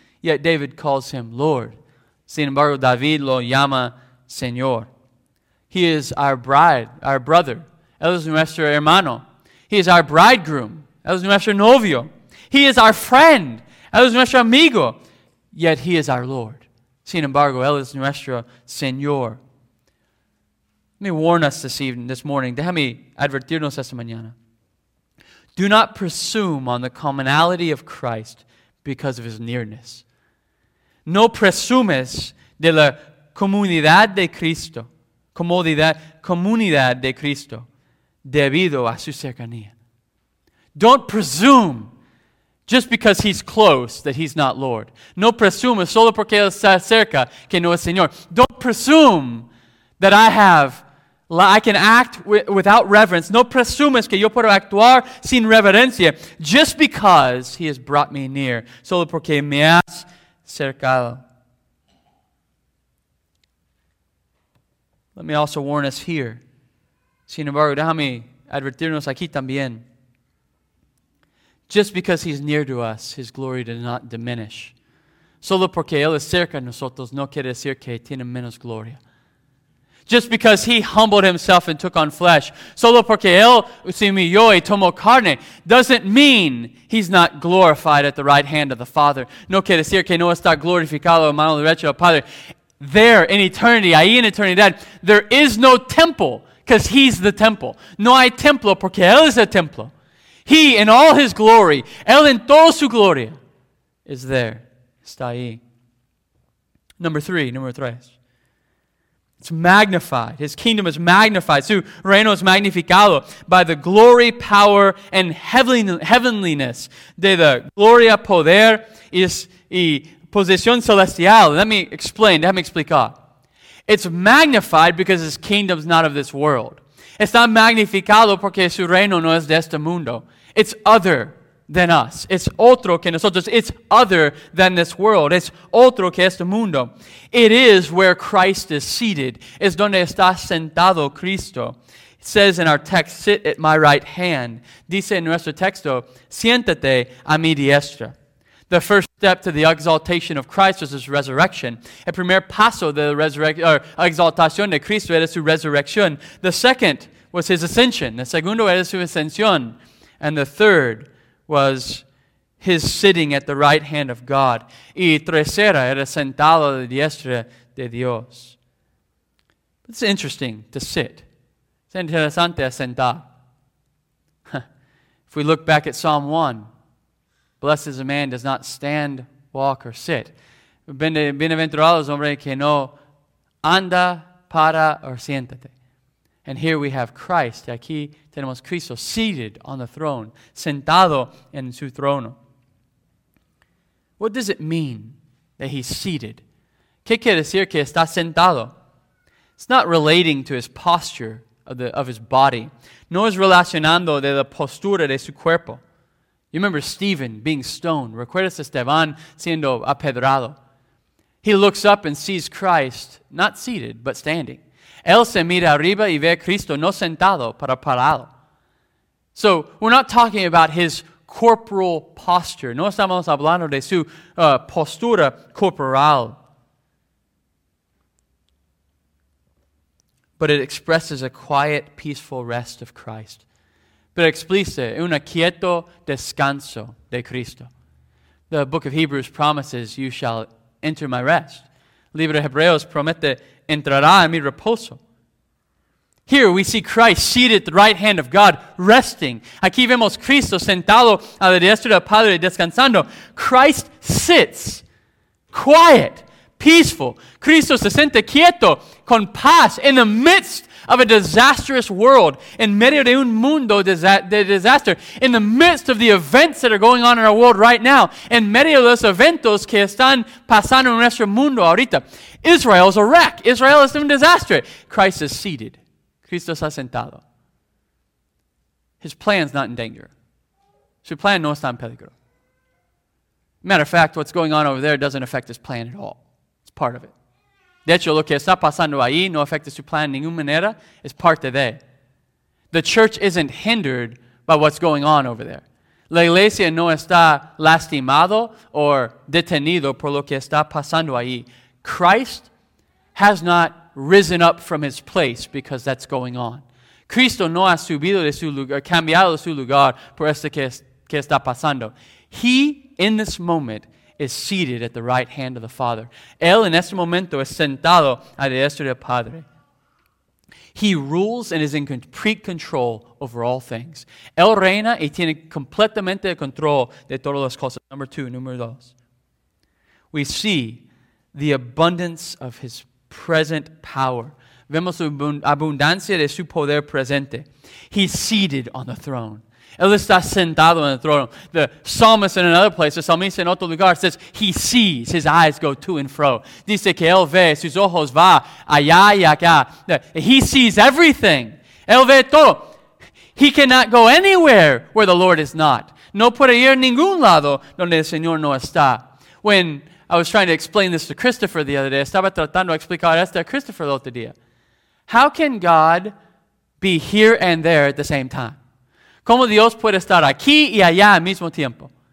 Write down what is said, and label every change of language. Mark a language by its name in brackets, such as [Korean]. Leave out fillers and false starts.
[English] Yet David calls him Lord. [Spanish] Sin embargo, David lo llama Señor. [English] He is our bride, our brother. [Spanish] Él es nuestro hermano. [English] He is our bridegroom. [Spanish] Él es nuestro novio. [English] He is our friend. [Spanish] Él es nuestro amigo. [English] Yet he is our Lord. [Spanish] Sin embargo, él es nuestro Señor. [English] Let me warn us this morning. [Spanish] Déjame advertirnos esta mañana. [English] Do not presume on the commonality of Christ because of his nearness. [Spanish] No presumes de la comunidad de Cristo. Comunidad de Cristo. Debido a su cercanía. [English] Don't presume just because he's close that he's not Lord. [Spanish] No presumes solo porque él está cerca que no es Señor. [English] Don't presume that I can act without reverence. [Spanish] No presumes que yo puedo actuar sin reverencia [English] just because he has brought me near. [Spanish] Solo porque me has cercado. [English] Let me also warn us here. [Spanish] Sin embargo, déjame advertirnos aquí también. [English] Just because he's near to us, his glory does not diminish. [Spanish] Solo porque él es cerca de nosotros no quiere decir que tiene menos gloria. [English] Just because he humbled himself and took on flesh, [Spanish] solo porque él se humilló y tomó carne, [English] doesn't mean he's not glorified at the right hand of the Father. [Spanish] No quiere decir que no está glorificado a mano derecha del Padre. [English] There in eternity, [Spanish] ahí en eternidad, [English] there is no temple because he's the temple. [Spanish] No hay templo porque él es el templo. [English] He in all his glory, [Spanish] él en toda su gloria, [English] is there, [Spanish] está ahí. [English] Number three. It's magnified. His kingdom is magnified. [Spanish] Su reino es magnificado [English] by the glory, power, and heavenliness [Spanish] de la gloria, poder y posesión celestial. [English] Let me explain. [Spanish] Let me explicar. [English] It's magnified because his kingdom is not of this world. It's not [Spanish] magnificado porque su reino no es de este mundo. [English] It's other than us. It's [Spanish] otro que nosotros. [English] It's other than this world. It's [Spanish] otro que este mundo. [English] It is where Christ is seated. [Spanish] Es donde está sentado Cristo. [English] It says in our text, sit at my right hand. [Spanish] Dice en nuestro texto, siéntate a mi diestra. [English] The first step to the exaltation of Christ was his resurrection. [Spanish] El primer paso de la exaltación de Cristo era su resurrección. [English] The second was his ascension. [Spanish] El segundo era su ascensión. [English] And the third was his sitting at the right hand of God. [Spanish] Y tercera era sentado a la diestra de Dios. [English] It's interesting to sit. [Spanish] Es interesante sentar. [English] If we look back at Psalm 1, blessed is a man does not stand, walk, or sit. [Spanish] Bienaventurado es hombre que no anda, para, or siéntate. [English] And here we have Christ. [Spanish] Aquí tenemos Cristo [English] seated on the throne, [Spanish] sentado en su trono. [English] What does it mean that he's seated? [Spanish] ¿Qué quiere decir que está sentado? [English] It's not relating to his posture of his body. [Spanish] No es relacionando de la postura de su cuerpo. [English] You remember Stephen being stoned. [Spanish] Recuerdas a Esteban siendo apedrado. [English] He looks up and sees Christ, not seated, but standing. [Spanish] Él se mira arriba y ve a Cristo, no sentado, pero parado. [English] So, we're not talking about his corporal posture. [Spanish] No estamos hablando de su postura corporal. [English] But it expresses a quiet, peaceful rest of Christ. [Spanish] Pero explica un quieto descanso de Cristo. [English] The book of Hebrews promises, you shall enter my rest. [Spanish] Libro de Hebreos promete, entrará en mi reposo. [English] Here we see Christ seated at the right hand of God, resting. [Spanish] Aquí vemos Cristo sentado a la diestra del Padre descansando. [English] Christ sits, quiet, peaceful. [Spanish] Cristo se siente quieto, con paz, [English] in the midst of a disastrous world, [Spanish] en medio de un mundo de desastre, [English] in the midst of the events that are going on in our world right now, [Spanish] en medio de los eventos que están pasando en nuestro mundo ahorita. [English] Israel is a wreck. Israel is in disaster. Christ is seated. [Spanish] Cristo está sentado. [English] His plan's not in danger. [Spanish] Su plan no está en peligro. [English] Matter of fact, what's going on over there doesn't affect his plan at all. It's part of it. [Spanish] De hecho, lo que está pasando ahí no afecta su plan de ninguna manera. Es parte de. [English] The church isn't hindered by what's going on over there. [Spanish] La iglesia no está lastimado or detenido por lo que está pasando ahí. [English] Christ has not risen up from his place because that's going on. [Spanish] Cristo no ha subido de su lugar, cambiado su lugar por esto que está pasando. [English] He, in this moment, is seated at the right hand of the Father. [Spanish] Él en este momento es sentado a la diestra del Padre. [English] He rules and is in complete control over all things. [Spanish] Él reina y tiene completamente el control de todas las cosas. [English] Number two, [Spanish] número dos. [English] We see the abundance of his present power. [Spanish] Vemos la abundancia de su poder presente. [English] He's seated on the throne. [Spanish] Él está sentado en el trono. [English] The psalmist in another place, the psalmist in [Spanish] otro lugar, [English] says he sees, his eyes go to and fro. [Spanish] Dice que él ve, sus ojos va allá y acá. [English] He sees everything. [Spanish] Él ve todo. [English] He cannot go anywhere where the Lord is not. [Spanish] No puede ir a ningún lado donde el Señor no está. [English] When I was trying to explain this to Christopher the other day, [Spanish] estaba tratando de explicar esto a Christopher el otro día. [English] How can God be here and there at the same time? [Spanish] ¿Cómo Dios puede estar aquí y allá al mismo tiempo?